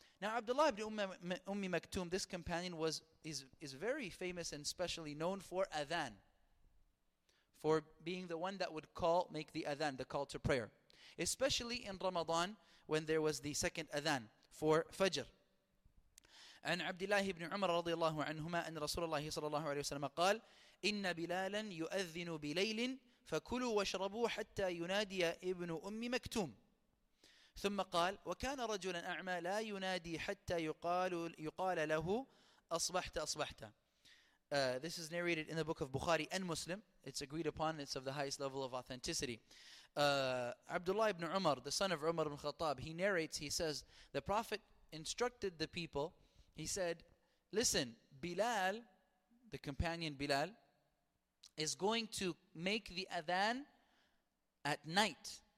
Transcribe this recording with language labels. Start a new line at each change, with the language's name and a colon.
English: Now Abdullah ibn Ummi Maktum, this companion is very famous and specially known for adhan. For being the one that would make the adhan, the call to prayer. Especially in Ramadan when there was the second adhan for Fajr.
Arabic: عن عبد الله بن عمر رضي الله عنهما أن رسول الله صلى الله عليه وسلم قال إن بلالا يؤذن بليل فكلوا واشربوا حتى ينادي ابن أم مكتوم ثم قال وكان رجلا أعمى لا ينادي حتى يقال له أصبحت أصبحت.
English: This is narrated in the book of Bukhari and Muslim. It's agreed upon, it's of the highest level of authenticity. Abdullah ibn Umar, the son of Umar ibn Khattab, he narrates, he says, the Prophet instructed the people. He said, listen, Bilal, the companion Bilal, is going to make the adhan at night.